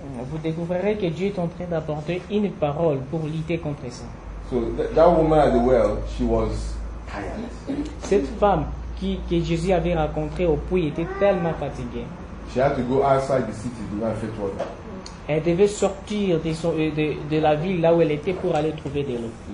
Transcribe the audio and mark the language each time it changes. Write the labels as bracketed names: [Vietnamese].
[French] Vous découvrirez que Dieu est en train d'apporter une parole pour lutter contre ça. [English] So that woman at the well, she was tired. [French] Cette femme que Jésus avait rencontrée au puits était tellement fatiguée. [English] She had to go outside the city to go and fetch water. [French] Elle devait sortir de la ville là où elle était pour aller trouver de l'eau.